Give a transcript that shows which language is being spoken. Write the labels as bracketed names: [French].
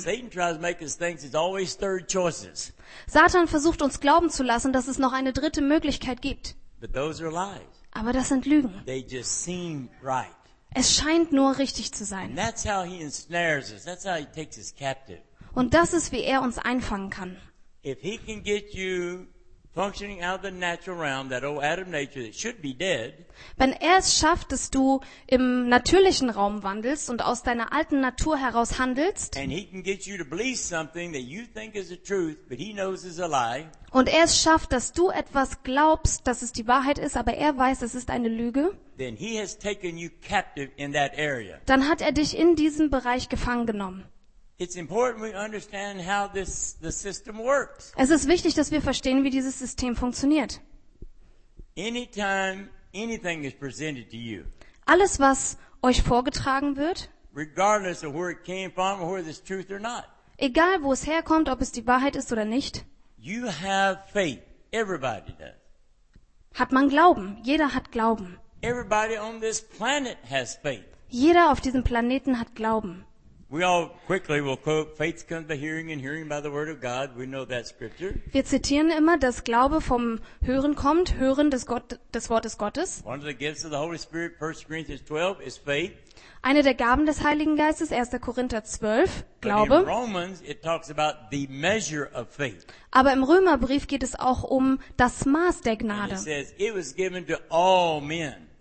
[German] Satan versucht, uns zu denken, es sind immer die dritte Möglichkeit. Satan versucht uns glauben zu lassen, dass es noch eine dritte Möglichkeit gibt. [English] But those are lies. [German] Aber das sind Lügen. [English] They just seem right. [German] Es scheint nur richtig zu sein. [English] And that's how he ensnares us. That's how he takes us captive. [German] Und das ist, wie er uns einfangen kann. [English] If he can get you functioning out of the natural realm, that old Adam nature that should be dead. [German] Wenn er es schafft, dass du im natürlichen Raum wandelst und aus deiner alten Natur heraus handelst. [English] And he can get you to believe something that you think is the truth, but he knows is a lie. [German] Und er es schafft, dass du etwas glaubst, dass es die Wahrheit ist, aber er weiß, es ist eine Lüge. [English] Then he has taken you captive in that area. [German] Dann hat er dich in diesem Bereich gefangen genommen. [English] It's important we understand how this the system works. [German] Es ist wichtig, dass wir verstehen, wie dieses System funktioniert. [English] Anytime anything is presented to you. [German] Alles, was euch vorgetragen wird. [English] Regardless of where it came from or whether it's truth or not. [German] Egal, wo es herkommt, ob es die Wahrheit ist oder nicht. [English] You have faith. Everybody does. [German] Hat man Glauben. Jeder hat Glauben. [English] Everybody on this planet has faith. [German] Jeder auf diesem Planeten hat Glauben. [English] We all quickly will quote, faith comes by hearing and hearing by the word of God. We know that scripture. [German] Wir zitieren immer, dass Glaube vom Hören kommt, Hören des Wortes Gottes. [English] One of the gifts of the Holy Spirit, 1 Corinthians 12, is faith. [German] Eine der Gaben des Heiligen Geistes, 1. Korinther 12, Glaube. [English] But in Romans, it talks about the measure of faith. [German] Aber im Römerbrief geht es auch um das Maß der Gnade. [English] And it says, it was given to all men.